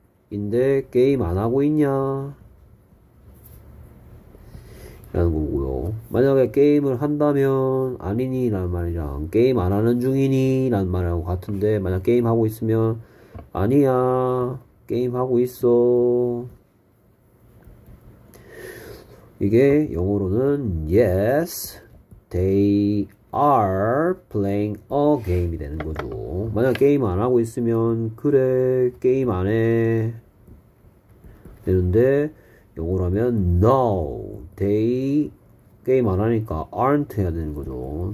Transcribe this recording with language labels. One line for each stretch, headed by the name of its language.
Korean: 인데 게임 안 하고 있냐? 라는 거고요. 만약에 게임을 한다면 아니니란 말이랑 게임 안 하는 중이니란 말하고 같은데 만약 게임하고 있으면 아니야. 게임하고 있어. 이게 영어로는
English: yes, they are playing a game이
Korean: 되는 거죠. 만약 게임 안 하고 있으면 그래 게임 안해 되는데 영어라면 no,
English: they
Korean: 게임 안 하니까
English: aren't
Korean: 해야 되는 거죠.